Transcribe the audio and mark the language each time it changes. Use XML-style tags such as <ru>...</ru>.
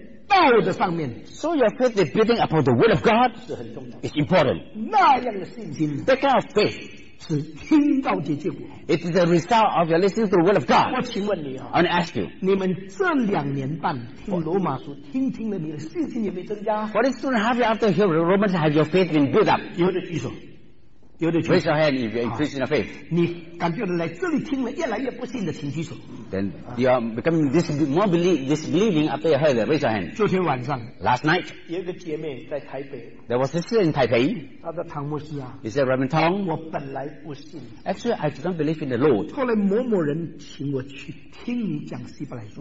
<en>So your faith is building upon the word of God. It's important. That kind of faith.</en> <zh>是听到的结果。</zh> <en>It is the result of your listening to the word of God.</en> <zh>我请问你啊</zh> <en>，I want to ask you.</en> <zh>你们这两年半听罗马书，听听了你的信心也没增加。</zh> <en>What is two and a half years after hearing Romans, have your faith been built up?</en> <zh>有的举手，有的举手。</zh> <en>Raise your hand if you're increasing your faith.</en> <zh>你感觉来这里听了越来越不信的，请举手。</zh> <en>Then you are becoming disbelieving after you heard that. Raise your hand.</en> <zh>昨天晚上</zh> <en>，Last night，</en> <zh>有一个姐妹在台北。</zh> <en>There was a sister in Taipei.</en> <zh>她的唐牧师啊</zh> <en>，He said, Reverend Tom，</en> <zh>我本来不信。</zh> <en>Actually, I do not believe in the Lord.</en> <zh>后来某某人请我去听你讲希伯来书。</zh>